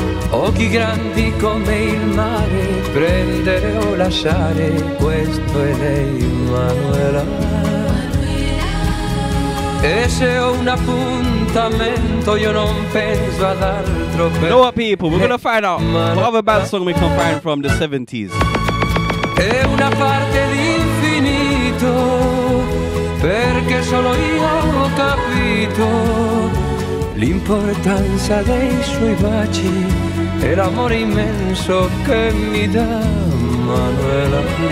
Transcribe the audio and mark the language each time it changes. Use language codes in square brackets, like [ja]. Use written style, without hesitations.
[it] Occhi grandi come il mare, prendere o lasciare, questo è lei, Manuela. E se ho un appuntamento, io non penso ad altro. [en] You know what people, we're gonna find out what other bad song we can find from the 70s. [it] È una parte d'infinito, perché solo io ho capito l'importanza dei suoi baci e l'amore immenso che mi dà, Manuela.